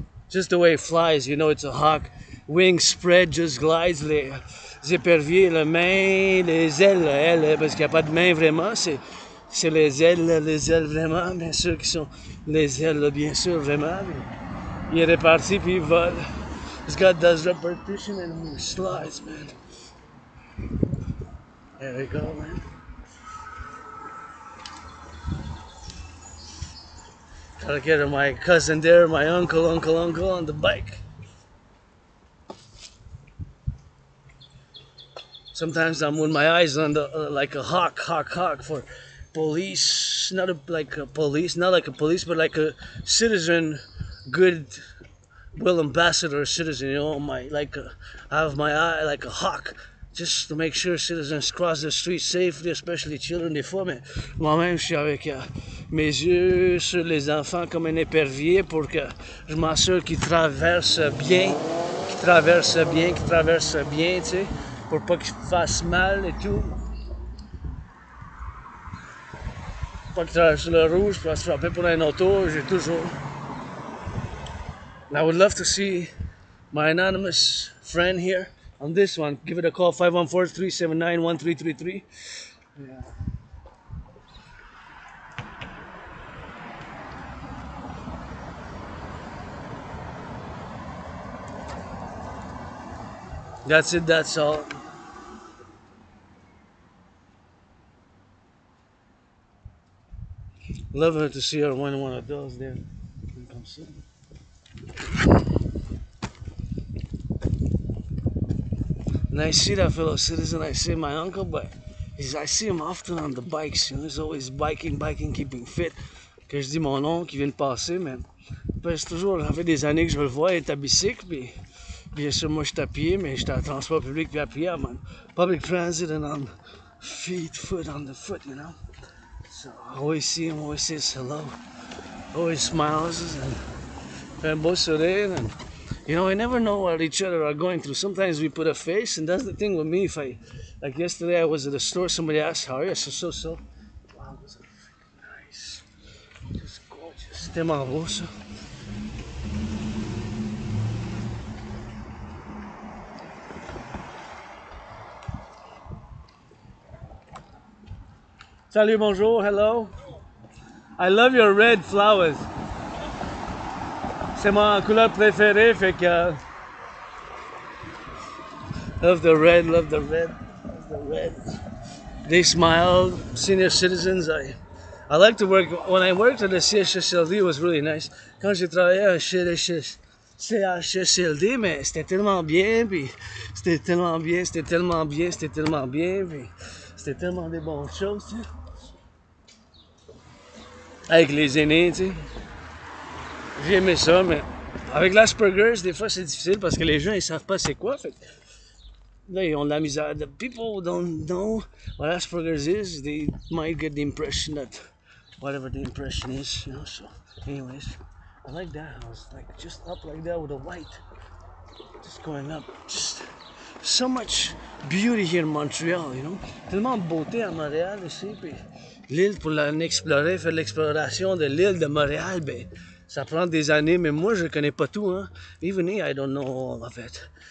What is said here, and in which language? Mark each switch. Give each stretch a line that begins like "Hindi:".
English: Just the way it flies, you know, it's a hawk. Wings spread, just glides.
French: Les éperviers, les mains, les ailes, elles, parce qu'il n'y a pas de main vraiment, c'est les ailes vraiment, bien sûr, qui sont les ailes, bien sûr, vraiment. Mais il est reparti, puis il vole.
English: He's got this repetition and he slides, man. There we go, man. Gotta get my cousin there, my uncle on the bike. Sometimes I'm with my eyes on the like a hawk for police, not like a police, but like a citizen, good will ambassador citizen. You know, I have my eye like a hawk, just to make sure citizens cross the street safely, especially children.
French: Des fois, mais moi-même, je suis avec mes yeux sur les enfants comme un épervier pour que je m'assure qu'ils traversent bien, tu sais, pour pas qu'ils fassent mal et tout. Pas qu'ils traversent le rouge pour se frapper pour un auto, j'ai toujours.
English: And I would love to see my anonymous friend here. On this one, give it a call, 514-379-1333. Yeah. That's it, that's all. Love to see her when one of those there can come soon. And I see that fellow citizen, I see my uncle, but I see him often on the bikes, you know, he's always biking, keeping fit.
French: Quand je dis mon oncle qui vient de passer, man, parce toujours, ça fait des années que je le vois, il est à bicycle, puis bien sûr, moi, je suis à pied, mais je suis en transport public, puis à pied, man.
English: Public transit and on feet, foot on the foot, you know. So I always see him, always says hello, always smiles, and
French: fait un beau sourire,
English: and You know, I never know what each other are going through. Sometimes we put a face, and that's the thing with me. If I, like yesterday, I was at a store. Somebody asked, "How are you?" I said, "So, so." Wow, those are freaking nice. Just gorgeous. Te maravoso.
French: Salut, bonjour,
English: hello. I love your red flowers.
French: C'est ma couleur préférée, fait que...
English: Love the red. They smile, senior citizens. I like to work. When I worked at the CHSLD, it was really nice.
French: Quand j'ai travaillé chez le CHSLD, mais c'était tellement bien, puis c'était tellement bien, c'était tellement bien, c'était tellement bien, puis c'était tellement de bonnes choses, tu sais. Avec les aînés, tu sais. J'ai aimé ça, mais avec l'Asperger's, des fois, c'est difficile parce que les gens, ils savent pas c'est quoi. Fait. Là, ils ont de la misère.
English: The people don't know what Asperger's is. They might get the impression that whatever the impression is, you know. So, anyways, I like that house. Like, just up like that with the white. Just going up. Just so much beauty here in Montreal, you know.
French: Tellement beauté à Montréal, ici, puis... L'île pour l'explorer, faire l'exploration de l'île de Montréal, ben, ça prend des années, mais moi, je connais pas tout, hein.
English: Even here, I don't know all of it.